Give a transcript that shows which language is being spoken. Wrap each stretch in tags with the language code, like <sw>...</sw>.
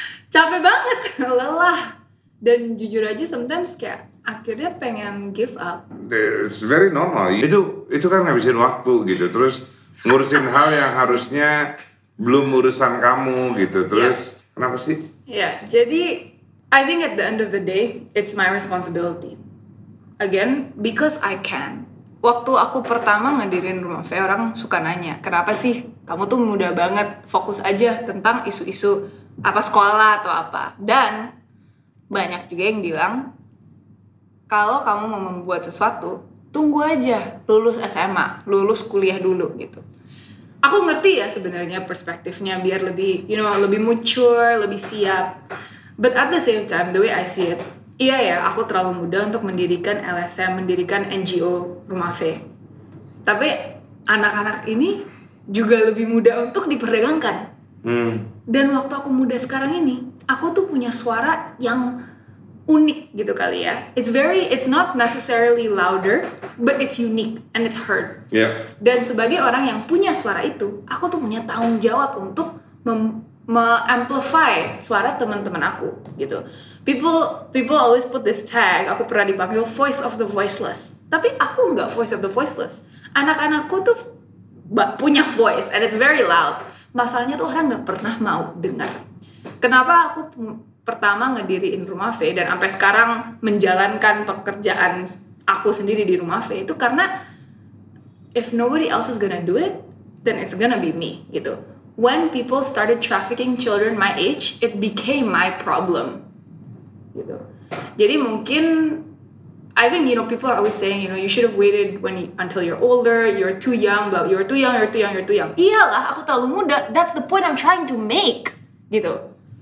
<id>Capek banget, lelah, dan jujur aja sometimes kayak akhirnya pengen give up.</id> <en>It's very normal.</en> <id>Itu kan ngabisin waktu gitu, terus ngurusin hal yang harusnya belum urusan kamu gitu, terus kenapa sih?</id> <en>Yeah, jadi I think at the end of the day, it's my responsibility. Again, because I can.</en> <id>Waktu aku pertama ngedirin Rumah V, orang suka nanya, kenapa sih kamu tuh muda banget, fokus aja tentang isu-isu apa sekolah atau apa. Dan banyak juga yang bilang, kalau kamu mau membuat sesuatu, tunggu aja lulus SMA, lulus kuliah dulu gitu. Aku ngerti ya sebenarnya perspektifnya, biar lebih, you know, lebih mature, lebih siap. But at the same time, the way I see it, iya ya, aku terlalu muda untuk mendirikan LSM, mendirikan NGO Rumah V. Tapi anak-anak ini juga lebih muda untuk diperdagangkan. Dan waktu aku muda sekarang ini, aku tuh punya suara yang unik gitu kali ya.</id> <en>It's not necessarily louder, but it's unique and it's heard. Yeah.</en> <id>Dan sebagai orang yang punya suara itu, aku tuh punya tanggung jawab untuk me-amplify suara teman-teman aku gitu.</id> <en>People always put this tag. Aku pernah dipanggil voice of the voiceless. Tapi aku enggak voice of the voiceless. Anak-anakku tuh punya voice and it's very loud.</en> <id>Masalahnya tuh orang enggak pernah mau dengar. Kenapa aku pertama ngediriin Rumah V dan sampai sekarang menjalankan pekerjaan aku sendiri di Rumah V itu karena if nobody else is gonna do it, then it's gonna be me gitu.</id> <en>When people started trafficking children my age, it became my problem. Gitu. Jadi mungkin, I think, you know, people are always saying, you know, you should have waited until you're older, you're too young, blah, you're too young. Iyalah, aku terlalu muda. That's the point I'm trying to make. gitu.</en>